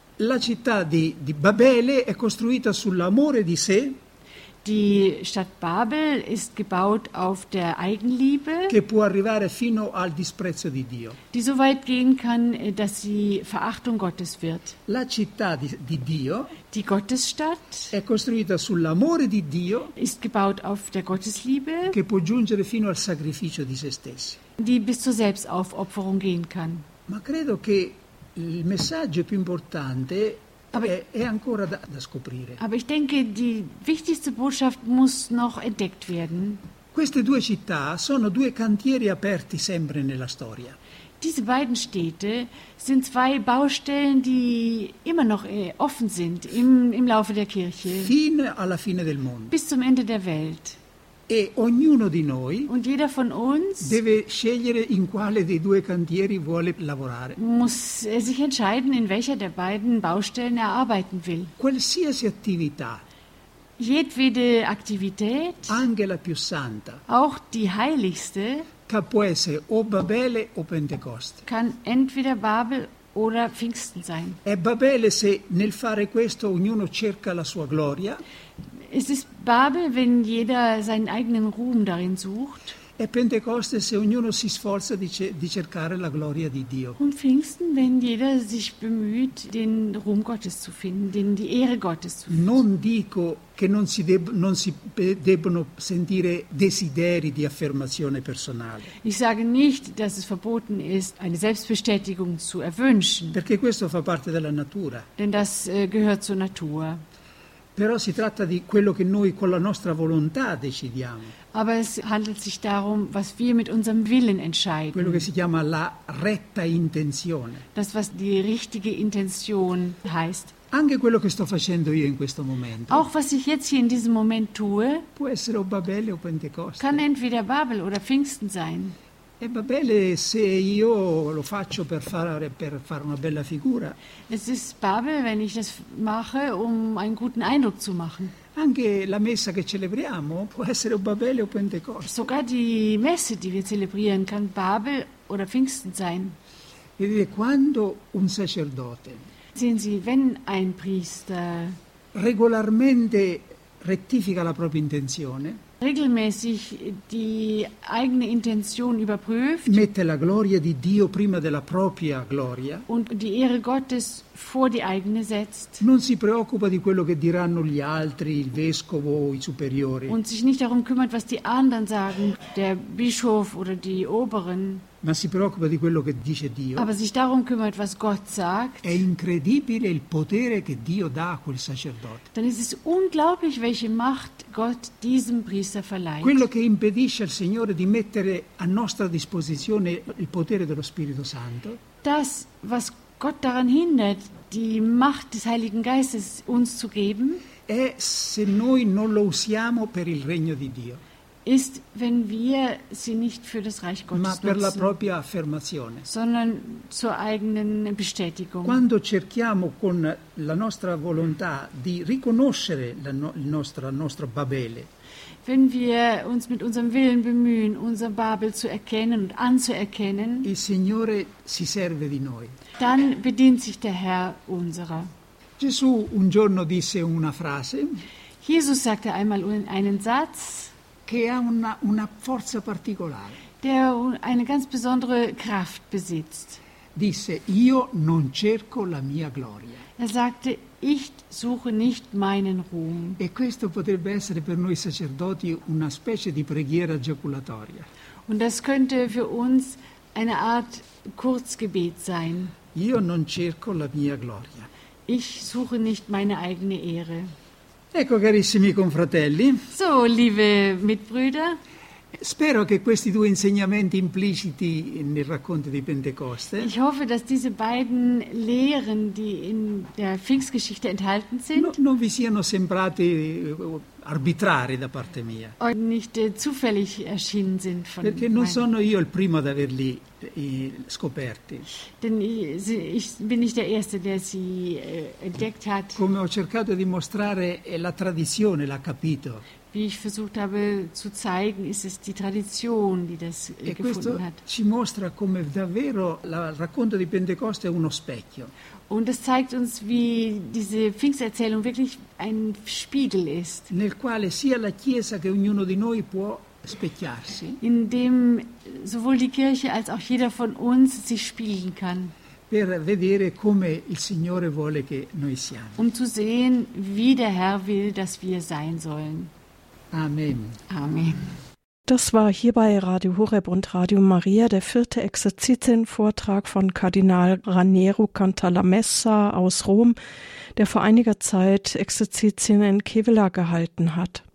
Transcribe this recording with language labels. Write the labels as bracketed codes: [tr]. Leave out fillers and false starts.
[it] La città di Babele è costruita sull'amore di sé. [de] Die Stadt Babel ist gebaut auf der Eigenliebe. [it] Che può arrivare fino al disprezzo di Dio. [de] Die so weit gehen kann, dass sie Verachtung Gottes wird. [it] La città di Dio. [de] Die Gottesstadt [it] è costruita sull'amore di Dio, [de] ist gebaut auf der Gottesliebe, [it] che può giungere fino al sacrificio di se stessi, [de] die bis zur Selbstaufopferung gehen kann. [it] Ma credo che il messaggio più importante è ancora da scoprire. [de] Aber ich denke, die wichtigste Botschaft muss noch entdeckt werden. [it] Queste due città sono due cantieri aperti sempre nella storia. [de] Diese beiden Städte sind zwei Baustellen, die immer noch offen sind im Laufe der Kirche. [it] Fino alla fine del mondo. [de] Bis zum Ende der Welt. [it] E ognuno di noi, [de] und jeder von uns, [it] deve scegliere in quale dei due cantieri vuole lavorare. [de] Muss sich entscheiden, in welcher der beiden Baustellen arbeiten will. [it] Qualsiasi attività. [de] Jedwede Aktivität. [it] Anche la più santa. [de] Auch die heiligste. [it] Può essere o Babele o Pentecoste. [de] Kann entweder Babel oder Pfingsten sein. [it] È Babele se nel fare questo ognuno cerca la sua gloria. [de] Es ist Babel, wenn jeder seinen eigenen Ruhm darin sucht. [it] È Pentecoste se ognuno si sforza di cercare la gloria di Dio. [de] Und Pfingsten, wenn jeder sich bemüht, den Ruhm Gottes zu finden, die Ehre Gottes zu finden. [it] Non dico che non si debbono sentire desideri di affermazione personale. [de] Ich sage nicht, dass es verboten ist, eine Selbstbestätigung zu erwünschen. [it] Perché questo fa parte della natura. [de] Denn das gehört zur Natur. [it] Però si tratta di quello che noi con la nostra volontà decidiamo. [de] Aber es handelt sich darum, was wir mit unserem Willen entscheiden. [it] Quello che si chiama la retta intenzione. [de] Das, was die richtige Intention heißt. [it] Anche quello che sto facendo io in questo momento. [de] Auch was ich jetzt hier in diesem Moment tue. [it] Può essere o Babele o Pentecoste. [de] Kann entweder Babel oder Pfingsten sein. [it] E Babele se io lo faccio per fare una bella figura. [de] Es ist Babel, wenn ich das mache, um einen guten Eindruck zu machen. [it] Anche la messa che celebriamo può essere o Babele o Pentecoste. [de] Sogar die Messe, die wir zelebrieren, kann Babel oder Pfingsten sein. [it] Vedete, quando un sacerdote. [de] Sehen Sie, wenn ein Priester [it] regolarmente rettifica la propria intenzione, [de] regelmäßig die eigene Intention überprüft, [it] mette la gloria di Dio prima della propria gloria, [de] und die Ehre Gottes vor die eigene setzt, [it] non si preoccupa di quello che diranno gli altri, il vescovo, i superiori, [de] und sich nicht darum kümmert, was die anderen sagen, der Bischof oder die Oberen, [it] ma si preoccupa di quello che dice Dio, [de] aber sich darum kümmert, was Gott sagt, [it] è incredibile il potere che Dio dà a quel sacerdote. [de] Dann ist es unglaublich, welche Macht Gott diesem Priester verleiht. [it] Quello che impedisce al Signore di mettere a nostra disposizione il potere dello Spirito Santo. [de] Das, was Gott daran hindert, die Macht des Heiligen Geistes uns zu geben, [it] è se noi non lo usiamo per il regno di Dio. [de] Ist, wenn wir sie nicht für das Reich Gottes nutzen, [it] ma per la propria affermazione, [de] sondern zur eigenen Bestätigung. [it] Quando cerchiamo con la nostra volontà di riconoscere il nostro Babele, [de] wenn wir uns mit unserem Willen bemühen, unser Babel zu erkennen und anzuerkennen, [it] il Signore si serve di noi. [de] Dann bedient sich der Herr unserer. [it] Gesù un giorno disse una frase. [de] Jesus sagte einmal einen Satz. [it] Che ha una forza particolare. [de] Der eine ganz besondere Kraft besitzt. [it] Disse, io non cerco la mia gloria. [de] Er sagte, ich suche nicht meinen Ruhm. [it] E questo potrebbe essere per noi sacerdoti una specie di preghiera giaculatoria. [de] Und das könnte für uns eine Art Kurzgebet sein. [it] Io non cerco la mia gloria. [de] Ich suche nicht meine eigene Ehre. [it] Ecco, carissimi confratelli. [de] So, liebe Mitbrüder. [it] Spero che questi due insegnamenti impliciti nel racconto di Pentecoste. [de] Ich hoffe, dass diese beiden Lehren, die in der Pfingstgeschichte enthalten sind, [it] non vi siano sembrati arbitrari da parte mia. [de] Nicht zufällig erschienen sind von. [it] Perché non sono io il primo ad averli scoperti. [de] Denn ich bin nicht der Erste, der sie entdeckt hat. [it] Come ho cercato di mostrare, la tradizione l'ha capito. [de] Wie ich versucht habe zu zeigen, ist es die Tradition, die das gefunden hat. [it] E questo ci mostra come davvero il racconto di Pentecoste è uno specchio. [de] Und es zeigt uns, wie diese Pfingsterzählung wirklich ein Spiegel ist. [it] Nel quale sia la Chiesa che ognuno di noi può specchiarsi. [de] In dem sowohl die Kirche als auch jeder von uns sich spiegeln kann. [it] Per vedere come il Signore vuole che noi siamo. [de] Um zu sehen, wie der Herr will, dass wir sein sollen. [it] Amen. [de] Amen. Das war hier bei Radio Horeb und Radio Maria der vierte Exerzitienvortrag von Kardinal Raniero Cantalamessa aus Rom, der vor einiger Zeit Exerzitien in Kevela gehalten hat.